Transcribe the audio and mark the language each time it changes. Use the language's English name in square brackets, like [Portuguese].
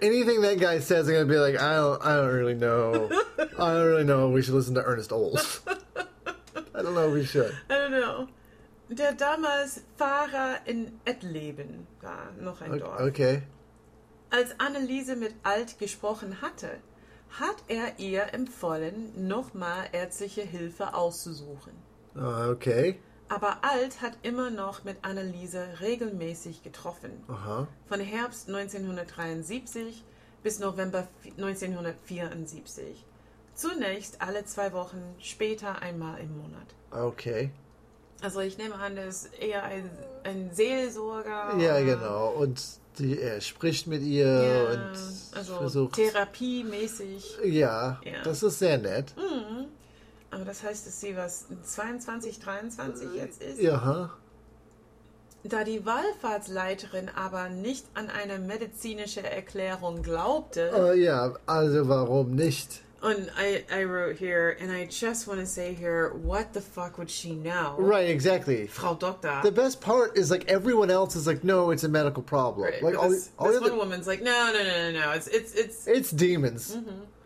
[English] Anything that guy says, I'm going to be like, I don't really know. I don't really know if we should listen to Ernest Old. I don't know if we should. I don't know. [German] Der damals Pfarrer in Ettleben war noch ein Dorf. [English] Okay. [German] Als Anneliese mit Alt gesprochen hatte, hat er ihr empfohlen, nochmal ärztliche Hilfe auszusuchen. [English] Okay. [German] Aber Alt hat immer noch mit Anneliese regelmäßig getroffen. Aha. Von Herbst 1973 bis November 1974. Zunächst alle zwei Wochen, später einmal im Monat. [English] Okay. [German] Also ich nehme an, das ist eher ein Seelsorger. Ja, genau. Und er spricht mit ihr und also versucht... therapiemäßig. Ja, das ist sehr nett. Mhm. Aber das heißt, dass sie was 22, 23 jetzt ist? Ja. Da die Wallfahrtsleiterin aber nicht an eine medizinische Erklärung glaubte... Ja, also warum nicht? [English] And I wrote here, and I just want to say here, what the fuck would she know? Right, exactly. [German] Frau Doktor. [English] The best part is, like, everyone else is like, no, it's a medical problem. Right, like, woman's like, no, it's demons. Mm-hmm.